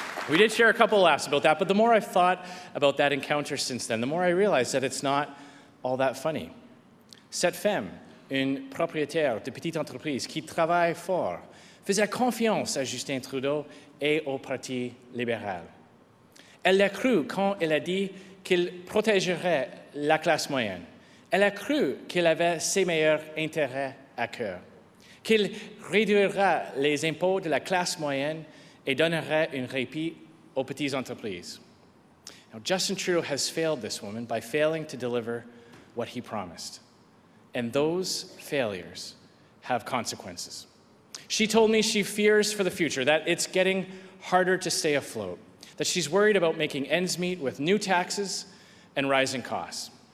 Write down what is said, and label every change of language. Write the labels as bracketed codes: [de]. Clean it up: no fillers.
[en] We did share a couple of laughs about that, but the more I've thought about that encounter since then, the more I realized that it's not all that funny. [fr] Cette femme, une propriétaire de petite entreprise qui travaille fort, faisait confiance à Justin Trudeau et au Parti libéral. Elle l'a cru quand elle a dit qu'il protégerait la classe moyenne. Elle a cru qu'il avait ses meilleurs intérêts à cœur, qu'il réduira les impôts de la classe moyenne et donnerait un répit aux petites entreprises. [en] Now, Justin Trudeau has failed this woman by failing to deliver what he promised. And those failures have consequences. She told me she fears for the future, that it's getting harder to stay afloat, that she's worried about making ends meet with new taxes and rising costs.